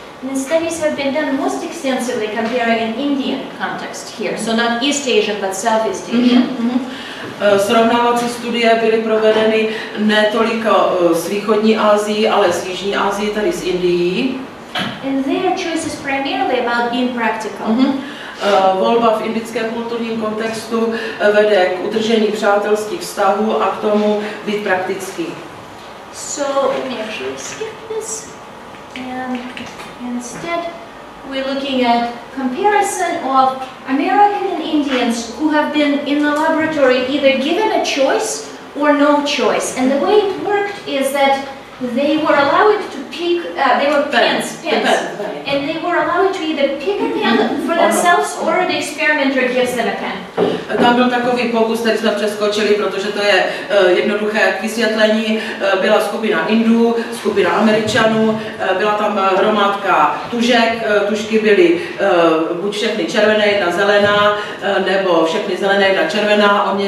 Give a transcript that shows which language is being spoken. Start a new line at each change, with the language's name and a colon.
English: The studies have been done most extensively comparing an Indian context here, so not East Asian, but Southeast Asian. Mm-hmm.
Czech: Srovnávací studie byly provedeny ne toliko s východní Asií, ale s jižní Asií, tedy s Indií.
English: And their choices primarily about being practical. Mm-hmm.
Czech: Volba v indickém kulturním kontextu vede k udržení přátelských vztahů a k tomu být praktický.
English: So, we actually skip this, and instead we're looking at comparison of American and Indians who have been in the laboratory either given a choice or no choice. And the way it worked is that they were allowed to pick, they were pens. And they were allowed to either pick a pen for themselves or the experimenter gives them a pen.
Czech: Tam byl takový pokus, který jsme přeskočili, protože to je jednoduché vysvětlení. Byla skupina Indů, skupina Američanů, byla tam hromádka tužek, tužky byly buď všechny červené, jedna zelená, nebo všechny zelené, jedna červená.